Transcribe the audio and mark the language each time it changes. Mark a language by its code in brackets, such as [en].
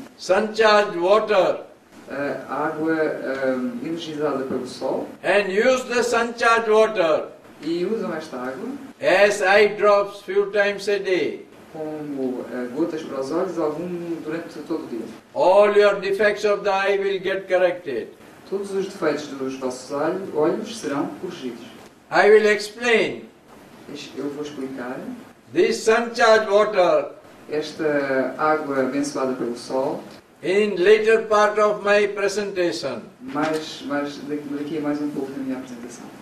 [en] Sun-charged water. [pt] Água energizada pelo sol. [en] And use the sun-charged water. [pt] E usam esta água. [en] As eye drops few times a day. [pt] Como gotas para os olhos durante todo o dia. [en] All your defects of the eye will get corrected. [pt] Todos os defeitos dos vossos olhos serão corrigidos. [en] I will explain. [pt] Eu vou explicar. [en] This sun-charged water. [pt] Esta água abençoada pelo sol. [en] In later part of my presentation. [pt] Mas daqui a mais pouco na minha apresentação.